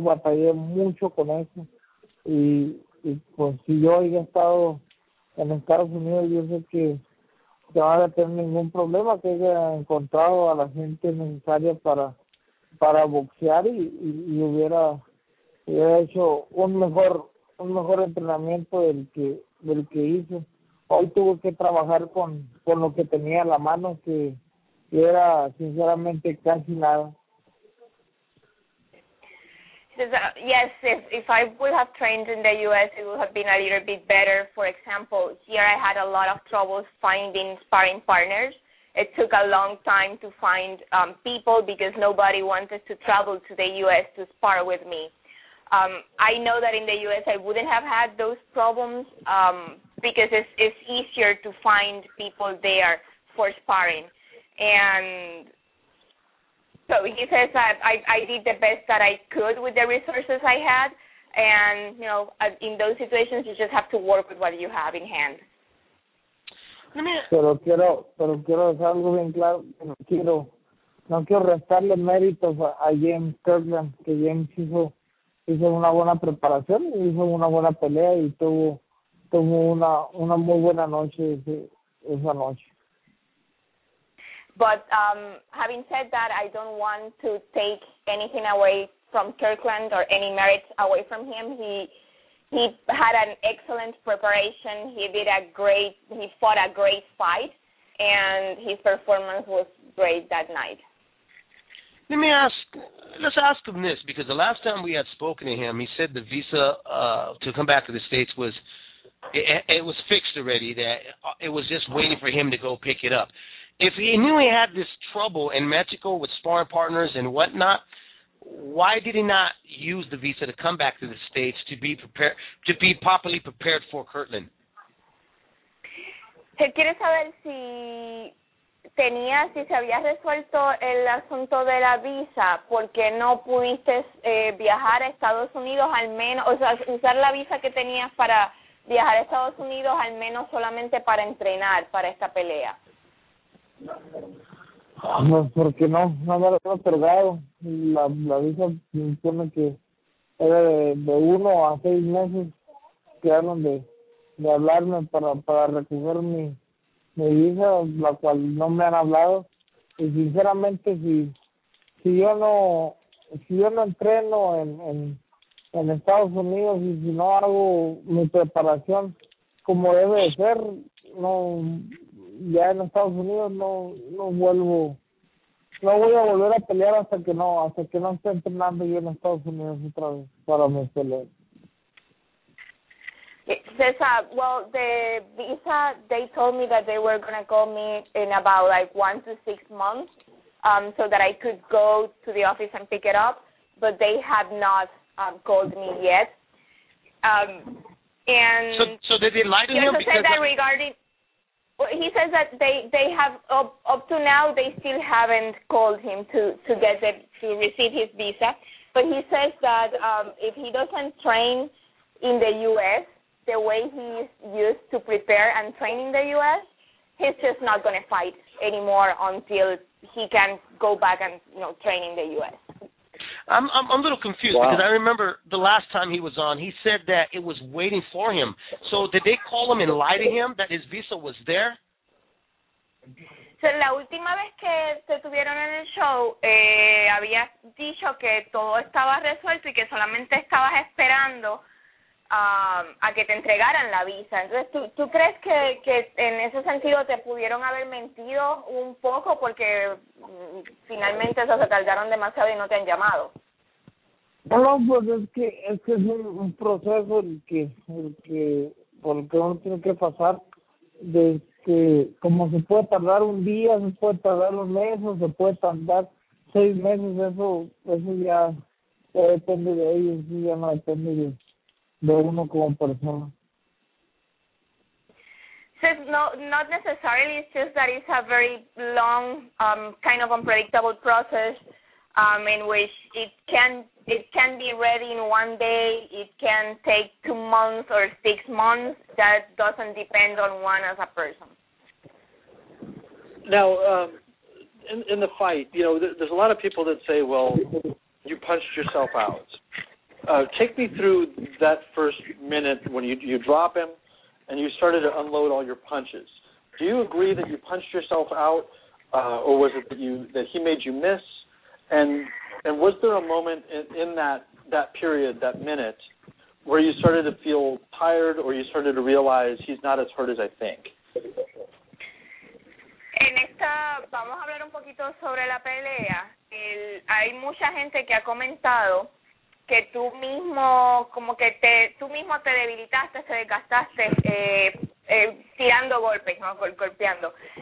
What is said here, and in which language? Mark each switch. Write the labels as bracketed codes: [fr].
[es] Batallé mucho con eso. Y pues si yo hubiera estado en Estados Unidos, yo sé que no voy a tener ningún problema, que haya encontrado a la gente necesaria para boxear y hubiera hecho un mejor entrenamiento del que hice. Hoy tuve que trabajar con lo que tenía a la mano, que era sinceramente casi nada. [en] Yes, if I would have trained in the U.S., it would have been a little bit better. For example, here I had a lot of trouble finding sparring partners. It took a long time to find people because nobody wanted to travel to the U.S. to spar with me. I know that in the U.S. I wouldn't have had those problems because it's easier to find people there for sparring. And so he says that I did the best that I could with the resources I had. And, you know, in those situations, you just have to work with what you have in hand. [es] Pero quiero dejar algo bien claro. No quiero restarle méritos a James Kirkland, que James hizo una buena preparación, hizo una buena pelea y tuvo una muy buena noche esa noche. [en] But having said that, I don't want to take anything away from Kirkland or any merits away from him. He had an excellent preparation. He fought a great fight, and his performance was great that night. Let's ask him this, because the last time we had spoken to him, he said the visa to come back to the States was, it was fixed already, that it was just waiting for him to go pick it up. If he knew he had this trouble in Mexico with sparring partners and whatnot, why did he not use the visa to come back to the States to be prepared, to be properly prepared for Kirkland? [es] ¿Quieres saber si tenía, si se había resuelto el asunto de la visa, porque no pudiste viajar a Estados Unidos al menos, o sea, usar la visa que tenías para viajar a Estados Unidos al menos solamente para entrenar para esta pelea? No, porque no me lo he otorgado. La visa impone que era de 1 a 6 meses que eran de hablarme para recoger mi visa, la cual no me han hablado. Y sinceramente, si yo no entreno en Estados Unidos y si no hago mi preparación como debe de ser, no, ya en Estados Unidos no voy a volver a pelear hasta que no esté entrenando yo en Estados Unidos otra vez para mi pelea. [en] Well, the visa, they told me that they were going to call me in about like 1 to 6 months so that I could go to the office and pick it up, but they have not called me yet. And so did they lie to him? Because that regarding, he says that they have up to now they still haven't called him to get the, to receive his visa, but he says that if he doesn't train in the U.S. the way he's used to prepare and train in the U.S., he's just not going to fight anymore until he can go back and, you know, train in the U.S. I'm a little confused. Wow. Because I remember the last time he was on, he said that it was waiting for him. So did they call him and lie to him that his visa was there? [es] So la última vez que se tuvieron en el show, había dicho que todo estaba resuelto y que solamente estabas esperando a que te entregaran la visa. Entonces, ¿tú crees que en ese sentido te pudieron haber mentido un poco porque finalmente eso se tardaron demasiado y no te han llamado? Bueno, pues es que es un proceso por el que uno tiene que pasar, de que como se puede tardar un día, se puede tardar un mes, o se puede tardar 6 meses, eso ya depende de ellos, ya no depende de uno como persona. [en] So not necessarily, it's just that it's a very long, kind of unpredictable process, in which it can be ready in one day, it can take 2 months or 6 months. That doesn't depend on one as a person. Now, in the fight, you know, there's a lot of people that say, well, you punched yourself out. Take me through that first minute when you drop him and you started to unload all your punches. Do you agree that you punched yourself out, or was it that he made you miss? And was there a moment in that period, that minute, where you started to feel tired or you started to realize he's not as hurt as I think? [es] En esta, vamos a hablar un poquito sobre la pelea. Hay mucha gente que ha comentado que tú mismo como que tú mismo te debilitaste, te desgastaste tirando golpes, ¿no? Golpeando.